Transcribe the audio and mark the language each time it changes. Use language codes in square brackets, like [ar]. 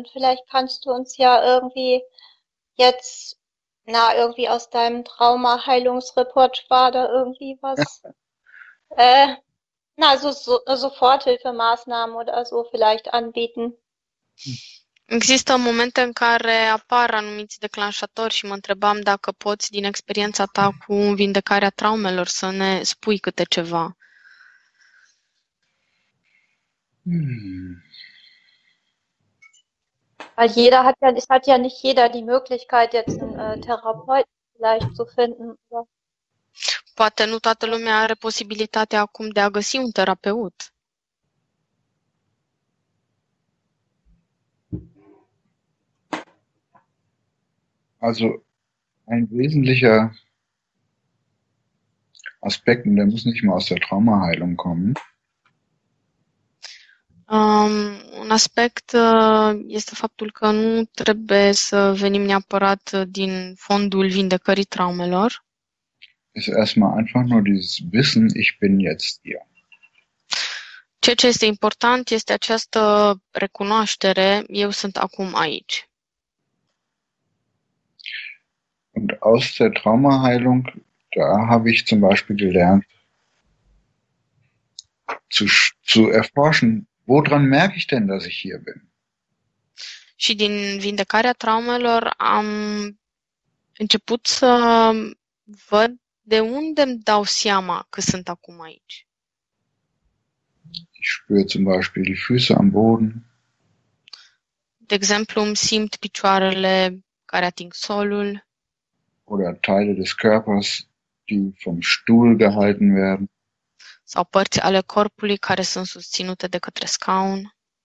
[de] Und vielleicht kannst du uns ja irgendwie jetzt, na, irgendwie aus deinem Trauma-Heilungsrepertoire da irgendwie was, na, Soforthilfemaßnahmen oder so vielleicht anbieten. [ro] Există momente în care apar anumiți declanșatori și mă întrebam dacă poți, din experiența ta cu vindecarea traumelor, să ne spui câte ceva. [de] Weil jeder hat ja, es hat ja nicht jeder die Möglichkeit, jetzt einen Therapeuten vielleicht zu finden. Oder? [ro] Poate nu toată lumea are posibilitatea acum de a găsi un terapeut. [de] Also ein wesentlicher Aspekt, und der muss nicht mal aus der Traumaheilung kommen. [ro] Un aspect este faptul că nu trebuie să venim neapărat din fondul vindecării traumelor. [de] Ist erstmal einfach nur dieses Wissen, ich bin jetzt hier. [ro] Ceea ce este important este această recunoaștere, eu sunt acum aici. [de] Und aus der Traumaheilung, da habe ich zum Beispiel gelernt, zu erforschen, woran merke ich denn, dass ich hier bin? [ro] Și din vindecarea traumelor am început să văd de unde îmi dau seama că sunt acum aici. [de] Ich spüre zum Beispiel die Füße am Boden. [ro] De exemplu, îmi simt picioarele care ating solul. [de] Oder Teile des Körpers, die vom Stuhl gehalten werden. [ro] Sau părți ale corpului care sunt susținute de către scaun.